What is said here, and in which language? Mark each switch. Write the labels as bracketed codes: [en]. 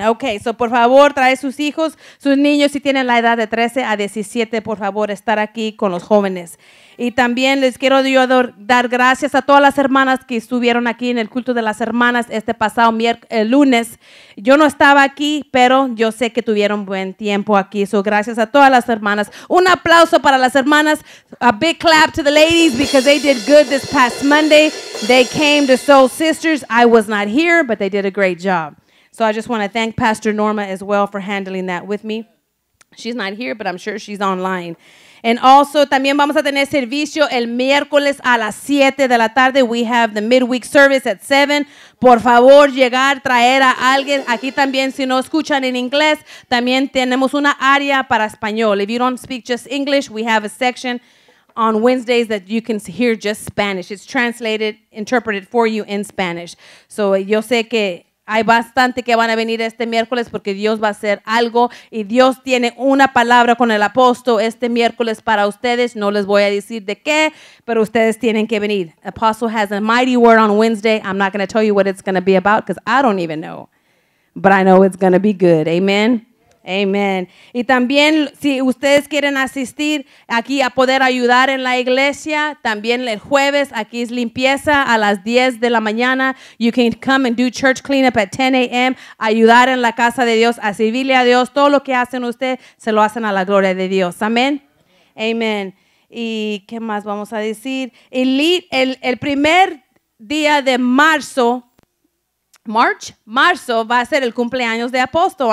[es] Okay, so por favor, trae sus hijos, sus niños, si tienen la edad de 13 a 17, por favor, estar aquí con los jóvenes. Y también les quiero yo dar gracias a todas las hermanas que estuvieron aquí en el culto de las hermanas este pasado lunes. Yo no estaba aquí, pero yo sé que tuvieron buen tiempo aquí. So, gracias a todas las hermanas. Un aplauso para las hermanas. [en] A big clap to the ladies because they did good this past Monday. They came to Soul Sisters. I was not here, but they did a great job. So, I just want to thank Pastor Norma as well for handling that with me. She's not here, but I'm sure she's online. And also, [es] también vamos a tener servicio el miércoles a las 7 de la tarde. [en] We have the midweek service at 7. [es] Por favor, llegar, traer a alguien. Aquí también, si no escuchan en inglés, también tenemos una área para español. [en] If you don't speak just English, we have a section on Wednesdays that you can hear just Spanish. It's translated, interpreted for you in Spanish. [es] So, yo sé que hay bastante que van a venir este miércoles porque Dios va a hacer algo y Dios tiene una palabra con el apóstol este miércoles para ustedes. No les voy a decir de qué, pero ustedes tienen que venir. [en] Apostle has a mighty word on Wednesday. I'm not going to tell you what it's going to be about because I don't even know. But I know it's going to be good. Amen. Amen. [es] Y también si ustedes quieren asistir aquí a poder ayudar en la iglesia, también el jueves aquí es limpieza a las 10 de la mañana. [en] You can come and do church cleanup at 10 a.m. [es] Ayudar en la casa de Dios, a servirle a Dios. Todo lo que hacen ustedes se lo hacen a la gloria de Dios. Amén. Amen. ¿Y qué más vamos a decir? El primer día de marzo, marzo va a ser el cumpleaños de apóstol.